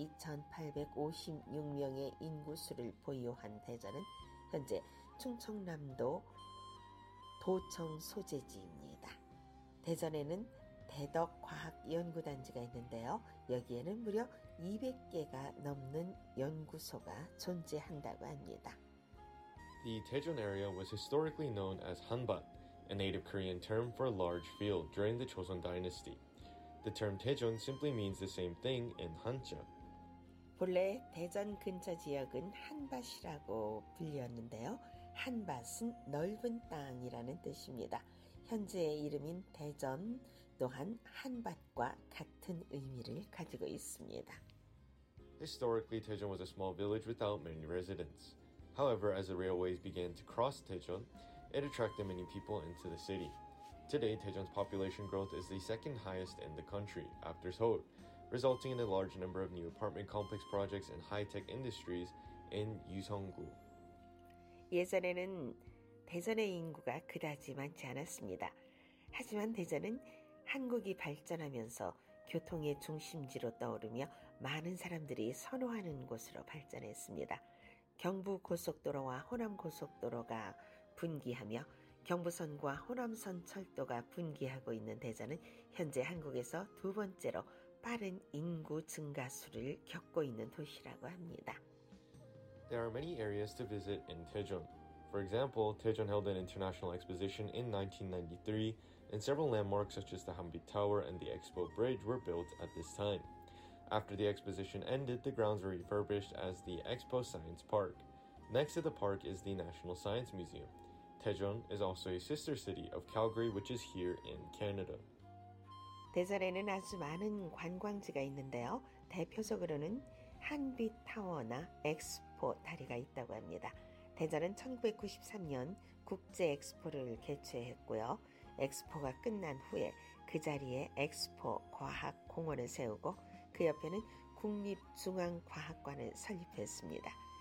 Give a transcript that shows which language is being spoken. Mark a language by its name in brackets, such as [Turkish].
[Korean] 144만 2,856명의 인구수를 보유한 대전은 현재 충청남도 도청 소재지입니다. 대전에는 대덕과학연구단지가 있는데요. 여기에는 무려 200개가 넘는 연구소가 존재한다고 합니다. [English] The Daejeon area was historically known as Hanban, a native Korean term for large field during the Joseon Dynasty. The term Daejeon simply means the same thing in Hanja. [Korean] 본래 대전 근처 지역은 한밭이라고 불렸는데요. 한밭은 넓은 땅이라는 뜻입니다. 현재의 이름인 대전 또한 한밭과 같은 의미를 가지고 있습니다. [English] Historically, Daejeon was a small village without many residents. However, as the railways began to cross Daejeon, it attracted many people into the city. Today, Daejeon's population growth is the second highest in the country, after Seoul, resulting in a large number of new apartment complex projects and high-tech industries in Yuseong-gu. [Korean] 예전에는 대전의 인구가 그다지 많지 않았습니다. 하지만 대전은 한국이 발전하면서 교통의 중심지로 떠오르며 많은 사람들이 선호하는 곳으로 발전했습니다. 경부고속도로와 호남고속도로가 분기하며 경부선과 호남선 철도가 분기하고 있는 대전은 현재 한국에서 두 번째로 빠른 인구 증가수를 겪고 있는 도시라고 합니다. [English] There are many areas to visit in Daejeon. For example, Daejeon held an international exposition in 1993, and several landmarks such as the Hanbit Tower and the Expo Bridge were built at this time. After the exposition ended, the grounds were refurbished as the Expo Science Park. Next to the park is the National Science Museum. Daejeon is also a sister city of Calgary, which is here in Canada. [Korean] 대전에는 아주 많은 관광지가 있는데요. 대표적으로는 한빛 타워나 엑스포 다리가 있다고 합니다. 대전은 1993년 국제 엑스포를 개최했고요. 엑스포가 끝난 후에 그 자리에 엑스포 과학 공원을 세우고 그 옆에는 국립중앙과학관을 설립했습니다.